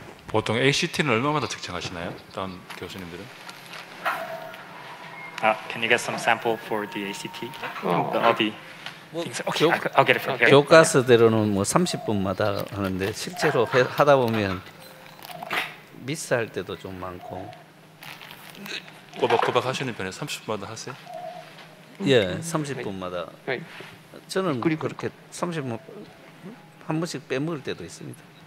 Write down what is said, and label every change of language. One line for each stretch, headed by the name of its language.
Korean: 보통 ACT는 얼마마다 측정하시나요? 다른 교수님들은?
English: Can you get some sample for the ACT? The OBI. Okay, I'll get it from here.
Korean: 교과서대로는 뭐 30분마다 하는데 실제로 하다 보면 미스할 때도 좀 많고. 꼬박꼬박 하시는 편에 30분마다 하세요? 예, 30분마다. 저는 그렇게 30분 한 번씩 빼먹을 때도 있습니다.